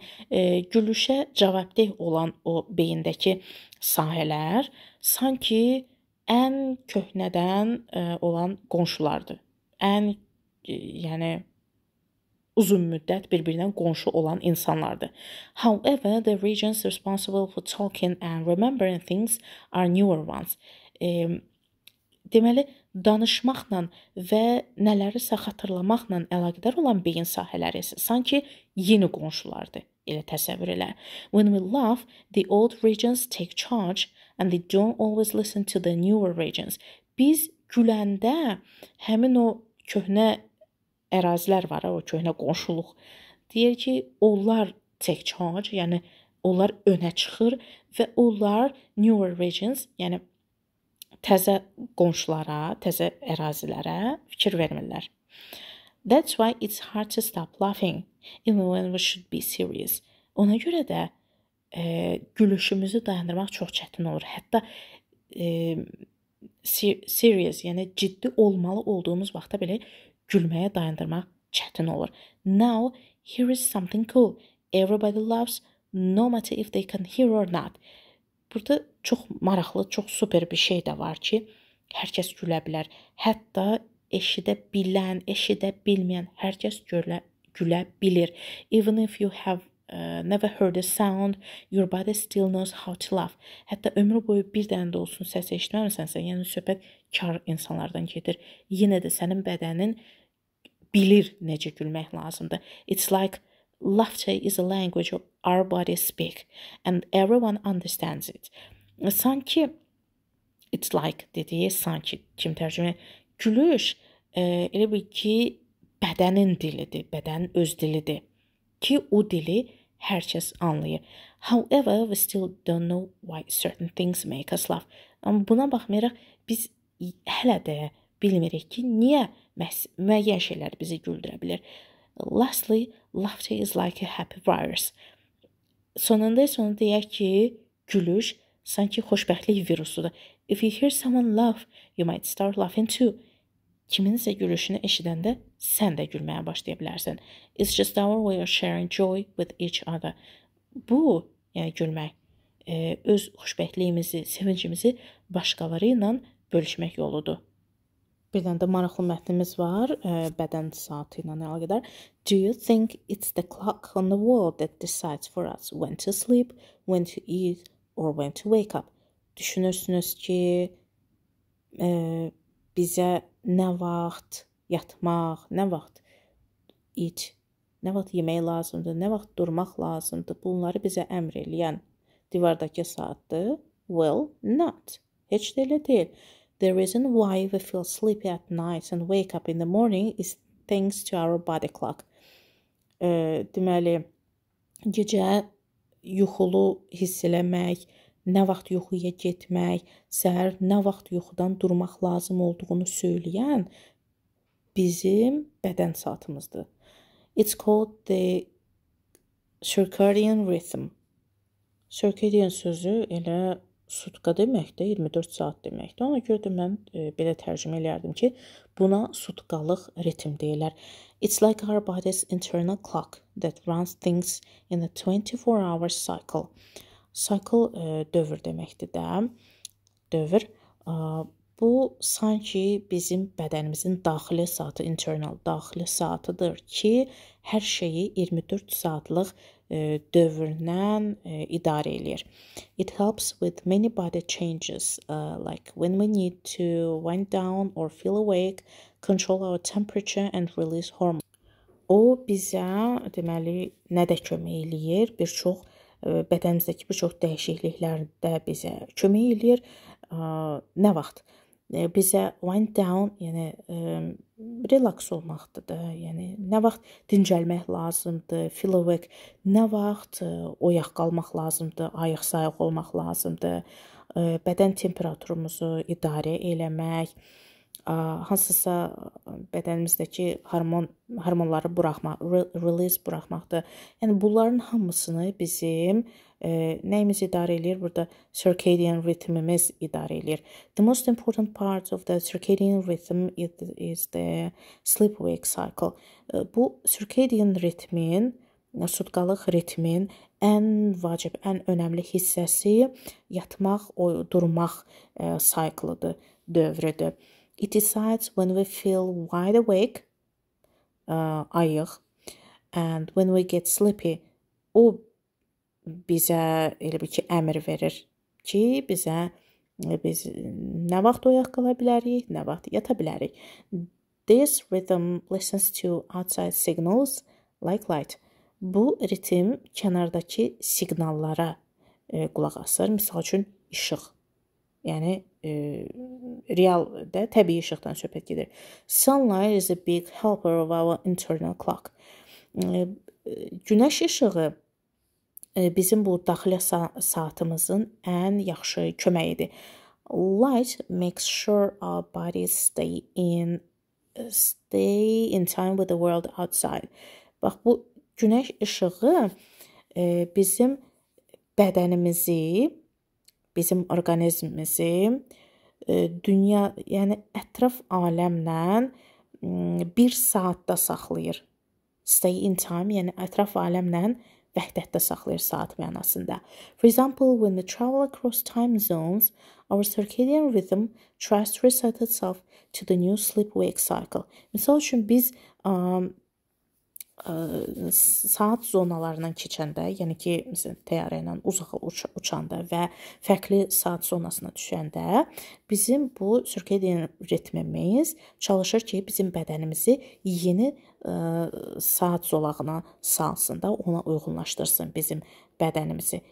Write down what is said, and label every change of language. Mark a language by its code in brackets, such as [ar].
[az] Gülüşə cavabdeh olan o beyindəki sahələr sanki ən köhnədən olan qonşulardır. Ən yəni uzun müddət bir-birindən qonşu olan insanlardır. [en] However, the regions responsible for talking and remembering things are newer ones. [az] Deməli, danışmaqla və nələrisə xatırlamaqla əlaqədar olan beyin sahələri isə sanki yeni qonşulardır. Elə təsəvvür elə. [en] When we laugh, the old regions take charge and they don't always listen to the newer regions. [az] Biz güləndə həmin o köhnə ərazilər var, o köhnə qonşuluq. Deyir ki, onlar [en] take charge, [az] yəni onlar önə çıxır və onlar [en] newer regions, [az] yəni təzə qonşulara, təzə ərazilərə fikir vermirlər. [en] That's why it's hard to stop laughing, even when we should be serious. [az] Ona görə də gülüşümüzü dayandırmaq çox çətin olur. Hətta serious, yəni ciddi olmalı olduğumuz vaxtda belə gülməyə dayandırmaq çətin olur. [en] Now, here is something cool. Everybody laughs, no matter if they can hear or not. [az] Burada çox maraqlı, çox super bir şey də var ki, hər kəs gülə bilər. Hətta eşidə bilən, eşidə bilməyən hər kəs gülə bilir. [en] Even if you have never heard a sound, your body still knows how to laugh. [az] Hətta ömrü boyu bir dənə də olsun səs eşitməmisənsə, yəni söhbət kar insanlardan gedir. Yenə də sənin bədənin bilir necə gülmək lazımdır. [en] It's like laughter is a language of our body speak and everyone understands it. [az] Sanki, [en] it's like [az] dediyi sanki kim tərcümə? Gülüş elə bil ki, bədənin dilidir, bədənin öz dilidir ki, o dili hər kəs anlayır. [en] However, we still don't know why certain things make us laugh. [az] Amma buna baxmayaraq, biz hələ də bilmirik ki, niyə müəyyən şeylər bizi güldürə bilir. [en] Lastly, laughter is like a happy virus. [az] Sonunda isə onu deyək ki, gülüş sanki xoşbəxtlik virusudur. [en] If you hear someone laugh, you might start laughing too. [az] Kiminsə gülüşünü eşidəndə sən də gülməyə başlaya bilərsən. [en] It's just our way of sharing joy with each other. [az] Bu, yəni gülmək, öz xoşbəxtliyimizi, sevincimizi başqaları ilə bölüşmək yoludur. Bir dənə də maraqlı mətnimiz var, bədən saatı ilə əlaqədar. [en] Do you think it's the clock on the wall that decides for us when to sleep, when to eat, or when to wake up? [az] Düşünürsünüz ki, bizə nə vaxt yatmaq, nə vaxt eat, Nə vaxt yemək lazımdır, nə vaxt durmaq lazımdır? Bunları bizə əmr eləyən divardakı saatdır. [en] Well, not. [az] Heç də elə deyil. [en] The reason why we feel sleepy at night and wake up in the morning is thanks to our body clock. [az] Deməli, gecə yuxulu hiss eləmək, nə vaxt yuxuya getmək, səhər nə vaxt yuxudan durmaq lazım olduğunu söyləyən bizim bədən saatımızdır. [en] It's called the circadian rhythm. [az] Circadian sözü elə sutka deməkdir, 24 saat deməkdir. Ona görə də mən belə tərcümə eləyərdim ki, buna sutkalıq ritm deyirlər. [en] It's like our body's internal clock that runs things in a 24-hour cycle. [az] Cycle dövr deməkdir də. Dövr. Bu, sanki bizim bədənimizin daxili saatı, internal daxili saatıdır ki, hər şeyi 24 saatlıq dövrdən idarə eləyir. [en] It helps with many body changes, like when we need to wind down or feel awake, control our temperature and release hormones. [az] O, bizə, deməli, nədə kömək eləyir? Bir çox, bədənimizdəki bir çox dəyişikliklərdə bizə kömək eləyir. Nə vaxt? Bizə [en] wind down, [az] yəni relaks olmaqdır da, yəni nə vaxt dincəlmək lazımdır, [en] feel awake, [az] nə vaxt oyaq qalmaq lazımdır, ayıq sayıq olmaq lazımdır, bədən temperaturumuzu idarə eləmək, hansısa bədənimizdəki hormonları buraxmaq, release buraxmaqdır. Yəni bunların hamısını bizim nəyimiz idarə eləyir? Burada circadian rhythmimiz idarə eləyir. [en] The most important part of the circadian rhythm is the sleep-wake cycle. [az] Bu circadian ritmin, sutkalıq ritmin ən vacib, ən önəmli hissəsi yatmaq, durmaq cycle-ıdır, dövrüdür. [en] It decides when we feel wide awake, ayıq, and when we get sleepy. [az] O bizə elə bir ki, əmr verir ki, biz nə vaxt oyaq qala bilərik, nə vaxt yata bilərik. [en] This rhythm listens to outside signals like light. [az] Bu ritm kənardakı siqnallara qulaq asır, misal üçün, işıq. Yəni, realdə təbii işıqdan söhbət gedir. [en] Sunlight is a big helper of our internal clock. [az] Günəş işığı bizim bu daxili saatımızın ən yaxşı köməkidir. [en] Light makes sure our bodies stay in time with the world outside. [az] Bax, bu günəş işığı bizim bədənimizi, bizim orqanizmimizi dünya, yəni ətraf aləmlə bir saatda saxlayır. [en] Stay in time, [az] yəni ətraf aləmlə vəhdətdə saxlayır saat mənasında. [en] For example, when we travel across time zones, our circadian rhythm tries to reset itself to the new sleep-wake cycle. [az] Misal üçün, biz saat zonalarından keçəndə, yəni ki, misal, təyyarə ilə uzağa uçanda və fərqli saat zonasına düşəndə bizim bu circadian ritmimiz çalışır ki, bizim bədənimizi yeni saat zolağına salsın da, ona uyğunlaşdırsın bizim bədənimizi.